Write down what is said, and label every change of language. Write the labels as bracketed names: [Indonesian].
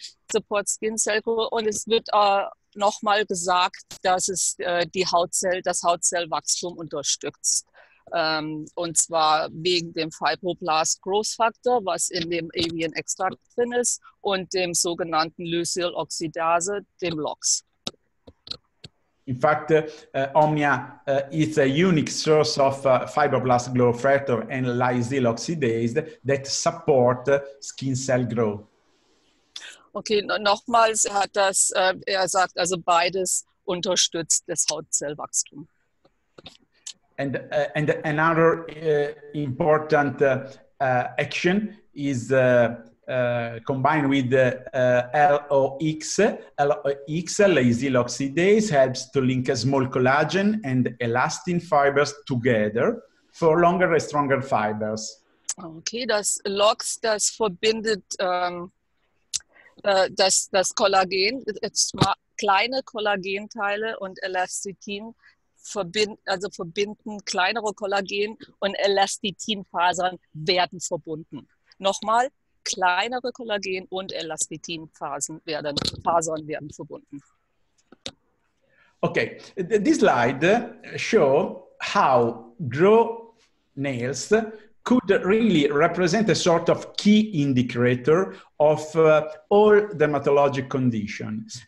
[English] Support skin cell growth, [German] und es wird nochmal gesagt, dass es das Hautzellwachstum unterstützt. Und zwar wegen dem Fibroblast Growth Factor, was in dem Avian Extract drin ist, und dem sogenannten Lysyl Oxidase, dem LOX. [English] In fact, Omnia is a unique source of fibroblast growth factor and lysyl oxidase that support skin cell growth. [German] Okay, nochmals, er sagt also, beides unterstützt das Hautzellwachstum. [English] And another important action is combined with LOX. LOX, lysyl oxidase, helps to link a small collagen and elastin fibers together for longer and stronger fibers. [German] Okay, das LOX, das verbindet das Kollagen, kleine Kollagenteile und Elastin. Verbinden kleinere Kollagen- und Elastitinfasern werden verbunden. Nochmal, kleinere Kollagen- und Elastitinfasern werden verbunden. [English] Okay, this slide show how grow nails could really represent a sort of key indicator of all dermatologic conditions.